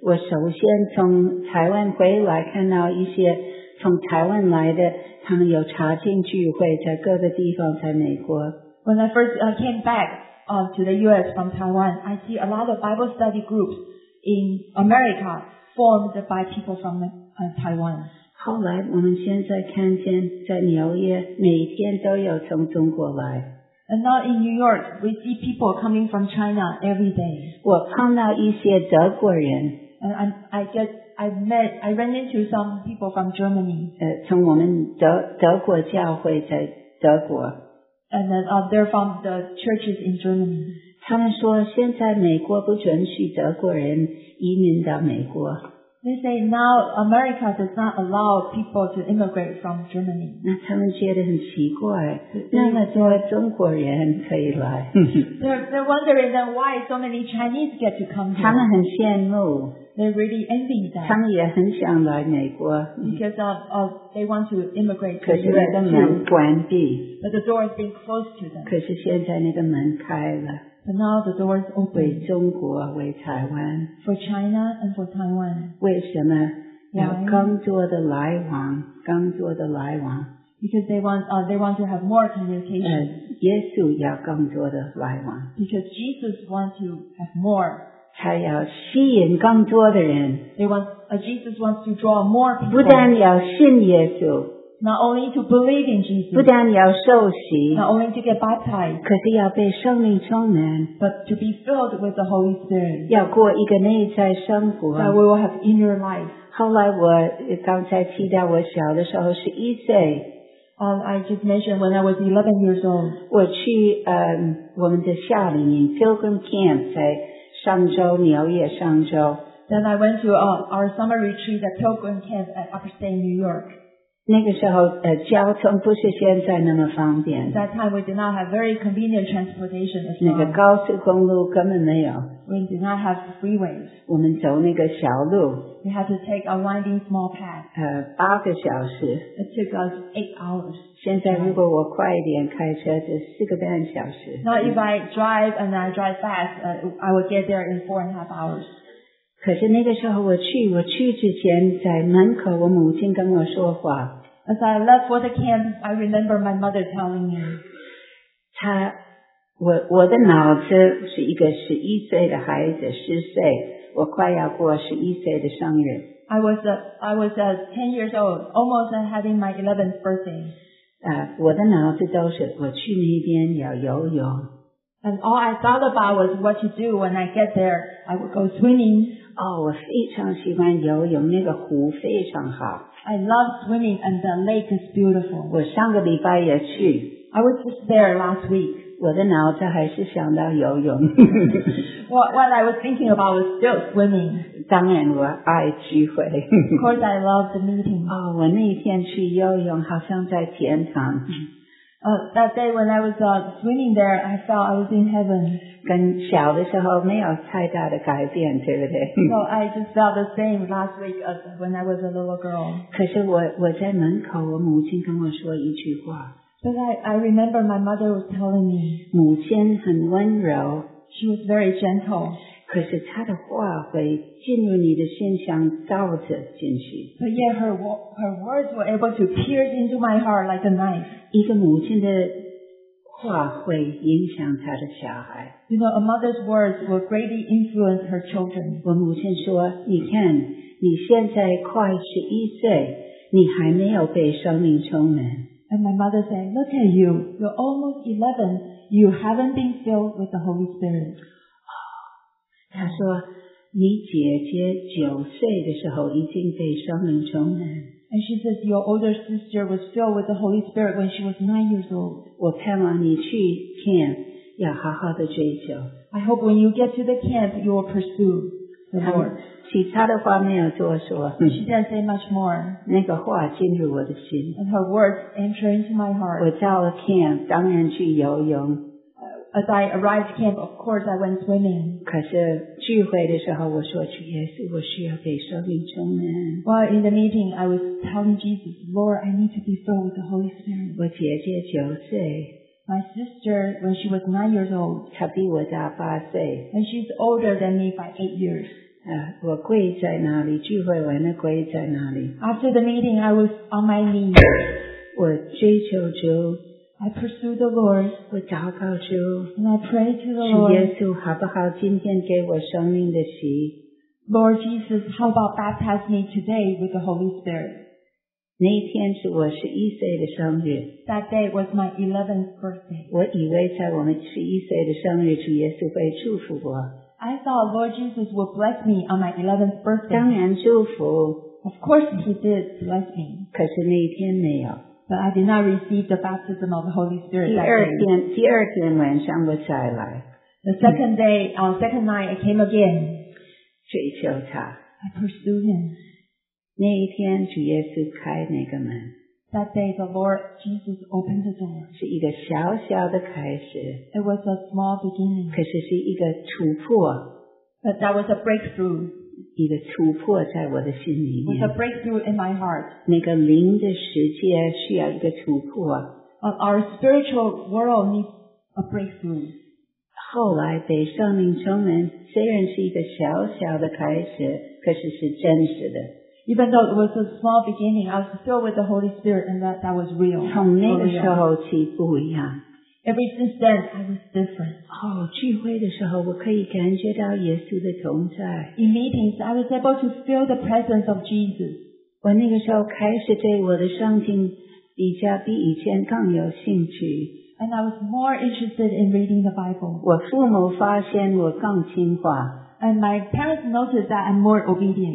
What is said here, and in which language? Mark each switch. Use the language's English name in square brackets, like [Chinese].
[Chinese] 我首先从台湾回来看到一些从台湾来的他们有查经聚会在各个地方在美国。 [English] When I first came back to the US from Taiwan, I see a lot of Bible study groups in America formed by people from Taiwan. [Chinese] 后来我们现在看见在纽约每天都有从中国来。 [English] And now in New York, we see people coming from China every day. [Chinese] 我碰到一些德国人。 [English] And I ran into some people from Germany. [Chinese] 从我们德国教会在德国。 [English] And then, they're from the churches in Germany. [Chinese] 他们说现在美国不准许德国人移民到美国。 [English] They say now America does not allow people to immigrate from Germany. [Chinese] 那他们觉得很奇怪，那么多中国人可以来。 [English] They're wondering then why so many Chinese get to come here. [Chinese] 他们很羡慕。 [English] They're really envy that. [Chinese] 他们也很想来美国。 [English] Because of they want to immigrate to the US. [Chinese] 可是那个门关闭。 [English] But the door has been closed to them. [Chinese] 可是现在那个门开了。 [English] But now the door is open. [Chinese] 为中国，为台湾。 [English] For China and for Taiwan. [Chinese] 为什么？要更多的来往，更多的来往。 [English] Because they want to have more communication. [Chinese] 耶稣要更多的来往。 [English] Because Jesus wants to have more. [Chinese] 才要吸引更多的人。 [English] Jesus wants to draw more people. [Chinese] 不但要信耶稣。 [English] Not only to believe in Jesus, [Chinese] 不但要受洗, [English] not only to get baptized, [Chinese] 可是要被圣灵充满, [English] but to be filled with the Holy Spirit, [Chinese] 要过一个内在生活, [English] that we will have inner life. [Chinese] 后来我刚才提到我小的时候是一岁, [English] I just mentioned when I was 11 years old, [Chinese] 我去我们的夏令营 Pilgrim Camp 在上周纽约上周, [English] then I went to our summer retreat at Pilgrim Camp at Upstate New York. [Chinese] 那个时候交通不是现在那么方便。 [English] That time we did not have very convenient transportation. [Chinese] 那个高速公路根本没有。 [English] We did not have freeways. [Chinese] 我们走那个小路。 [English] We had to take a winding small path. [Chinese] 八个小时。 [English] It took us 8 hours. [Chinese] 现在如果我快一点开车就四个半小时。 [English] Now if I drive and I drive fast, I would get there in 4.5 hours. [Chinese] 可是那个时候我去之前在门口我母亲跟我说话。 [English] As I left for the camp, I remember my mother telling me. [Chinese] 我的脑子是一个11岁的孩子 ,10 岁。我快要过11岁的生日。 [English] I was 10 years old, almost having my 11th birthday. [Chinese] 我的脑子都是我去那边要游泳。 [English] And all I thought about was what to do when I get there. I would go swimming. [Chinese] 哦，我非常喜欢游泳，那个湖非常好。 [English] I love swimming and the lake is beautiful. [Chinese] 我上个礼拜也去。 [English] I was just there last week. [Chinese] 我的脑子还是想到游泳。 [English] What I was thinking about was still swimming. [Chinese] 当然我爱聚会。 [English] Of course I love the meeting. [Chinese] 哦，我那天去游泳好像在天堂。 [English] That day when I was swimming there, I felt I was in heaven. [Chinese] 跟小的时候没有太大的改变，对不对？ [English] So I just felt the same last week as when I was a little girl. [Chinese] 可是我在门口，我母亲跟我说一句话。 [English] But I remember my mother was telling me. [Chinese] 母亲很温柔。 [English] She was very gentle. [Chinese] 可是她的话会进入你的心，像刀子进去。 [English] But yet her words were able to pierce into my heart like a knife. [Chinese] 一个母亲的话会影响她的小孩。 [English] You know, a mother's words will greatly influence her children. [Chinese] 我母亲说，你看，你现在快11岁，你还没有被生命充满。 [English] And my mother saying, look at you, you're almost 11, you haven't been filled with the Holy Spirit. [Chinese] 她说你姐姐九岁的时候已经被生命充满。 [English] And she says, your older sister was filled with the Holy Spirit when she was 9 years old. [Chinese] 我盼望你去 camp, 要好好的追求。 [English] I hope when you get to the camp, you will pursue the Lord. [Chinese] 其他的话没有多说。 [English] She didn't say much more. [Chinese] 那个话进入我的心。 [English] And her words enter into my heart. [Chinese] 我到了 camp, 当然去游泳。 [English] As I arrived at camp, of course, I went swimming. [Chinese] 可是聚会的时候我说去耶稣我需要被生命充满。 [English] While in the meeting, I was telling Jesus, Lord, I need to be filled with the Holy Spirit. [Chinese] 我姐姐九岁。 [English] My sister, when she was 9 years old, [Chinese] 她比我大八岁。 [English] And she's older than me by 8 years. [Chinese] 我跪在那里聚会完了跪在那里。 [English] After the meeting, I was on my knees. [Chinese] 我追求主。 [English] I pursue the Lord. [Chinese] 我祷告主。 [English] And I pray to the Lord. [Chinese] 耶稣好不好今天给我生命的洗。 [English] Lord Jesus, how about baptize me today with the Holy Spirit? [Chinese] 那一天是我11岁的生日。 [English] That day was my 11th birthday. [Chinese] 我以为在我们11岁的生日主耶稣会祝福我。 [English] I thought Lord Jesus would bless me on my 11th birthday. [Chinese] 当然祝福。 [English] Of course he did bless me. [Chinese] 可是那一天没有。 [English] But I did not receive the baptism of the Holy Spirit that day. [Chinese] 第二天晚上我再来。 [English] The second day, on second night, I came again. [Chinese] 追求他。 [English] I pursued him. [Chinese] 那一天主耶稣开那个门。 [English] That day the Lord Jesus opened the door. [Chinese] 是一个小小的开始。 [English] It was a small beginning. [Chinese] 可是是一个突破。 [English] But that was a breakthrough. [Chinese] 一个突破在我的心里面。 [English] It was a breakthrough in my heart. [Chinese] 那个灵的世界需要一个突破。 [English] Our spiritual world needs a breakthrough. [Chinese] 后来被圣灵充满虽然是一个小小的开始可是是真实的。 [English] Even though it was a small beginning, I was filled with the Holy Spirit and that was real. [Chinese] 从那个时候起不一样。 [English] Ever since then, I was different. [Chinese] 哦，聚会的时候我可以感觉到耶稣的同在。 [English] In meetings, I was able to feel the presence of Jesus. [Chinese] 我那个时候开始对我的圣经比较比以前更有兴趣。 [English] And I was more interested in reading the Bible. [Chinese] 我父母发现我更听话。 [English] And my parents noticed that I'm more obedient.